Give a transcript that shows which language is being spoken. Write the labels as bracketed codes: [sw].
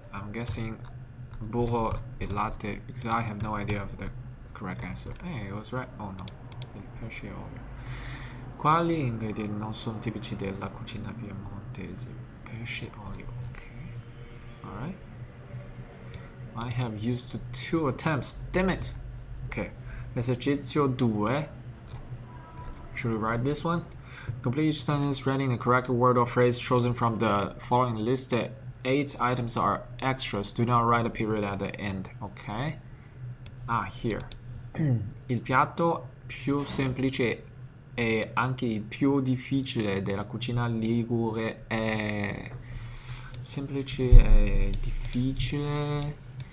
[en] I'm guessing [it] burro e latte [en] because I have no idea of the correct answer. Hey, it was right. Oh no, [it] il pesce e olio. Quali ingredienti non sono tipici della cucina piemontese? Pesce e olio, ok. Alright. [en] I have used two attempts, damn it! Ok, esercizio 2. Should we write this one? Complete each sentence writing the correct word or phrase chosen from the following list. The 8 items are extras. Do not write a period at the end, ok? Ah, here. [it] Il piatto più semplice e anche il più difficile della cucina ligure è semplice e difficile.